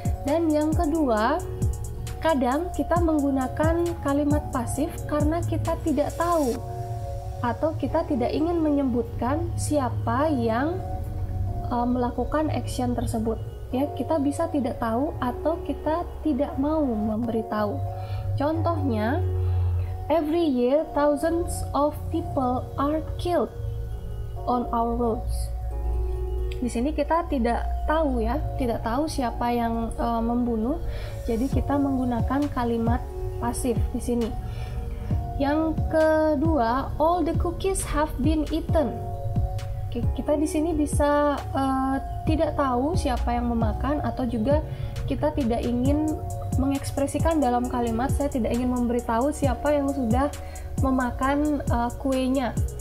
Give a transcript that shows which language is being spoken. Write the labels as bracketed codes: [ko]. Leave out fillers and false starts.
[id] Dan yang kedua, kadang kita menggunakan kalimat pasif karena kita tidak tahu atau kita tidak ingin menyebutkan siapa yang melakukan action tersebut. Ya, kita bisa tidak tahu atau kita tidak mau memberitahu. [en] Contohnya, every year thousands of people are killed on our roads. [id] Di sini kita tidak tahu ya, tidak tahu siapa yang membunuh. Jadi kita menggunakan kalimat pasif di sini. Yang kedua, [en] all the cookies have been eaten. [id] Kita di sini bisa tidak tahu siapa yang memakan atau juga kita tidak ingin mengekspresikan dalam kalimat saya tidak ingin memberitahu siapa yang sudah memakan kuenya.